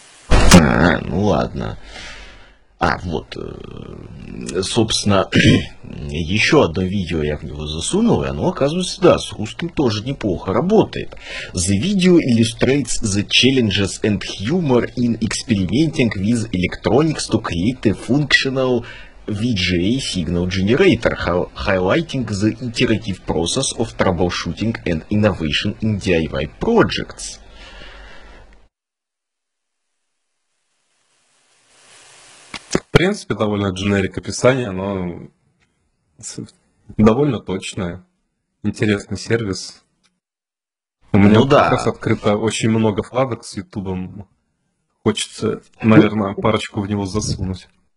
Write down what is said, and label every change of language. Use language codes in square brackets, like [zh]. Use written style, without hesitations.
[ru] Ну ладно. А, вот, собственно, еще одно видео я в него засунул, и оно, оказывается, да, с русским тоже неплохо работает. [en] The video illustrates the challenges and humor in experimenting with electronics to create a functional VGA signal generator, highlighting the iterative process of troubleshooting and innovation in DIY projects. [ru] В принципе, довольно дженерик описание, но довольно точное. Интересный сервис. У меня как раз открыто очень много вкладок с Ютубом. Хочется, наверное, парочку в него засунуть.